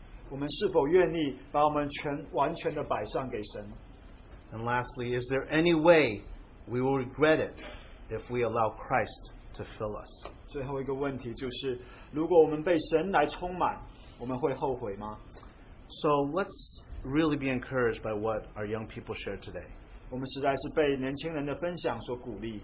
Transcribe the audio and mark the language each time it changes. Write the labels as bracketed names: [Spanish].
[Chinese] 我们是否愿意把我们全完全的摆上给神? [English] And lastly, is there any way we will regret it if we allow Christ to fill us? [Chinese] 最后一个问题就是，如果我们被神来充满，我们会后悔吗？ [English] So let's really be encouraged by what our young people shared today. [Chinese] 我们实在是被年轻人的分享所鼓励。